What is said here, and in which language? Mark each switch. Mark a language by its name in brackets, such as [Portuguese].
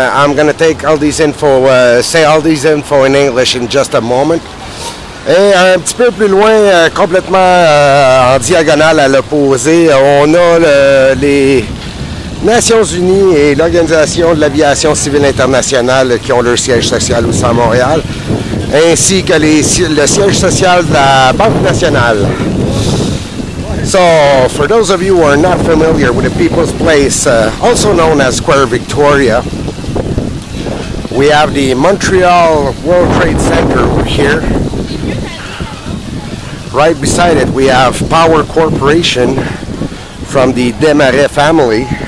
[English] I'm going to take all these info, say all these info in English in just a moment. [French] Et un petit peu plus loin, complètement en diagonale à l'opposé, on a les Nations Unies et l'Organisation de l'Aviation Civile Internationale qui ont leur siège social aussi à Montréal, ainsi que le siège social de la Banque Nationale. [English] So, for those of you who are not familiar with the People's Place, also known as Square Victoria, we have the Montreal World Trade Center here. Right beside it, we have Power Corporation from the Desmarais family.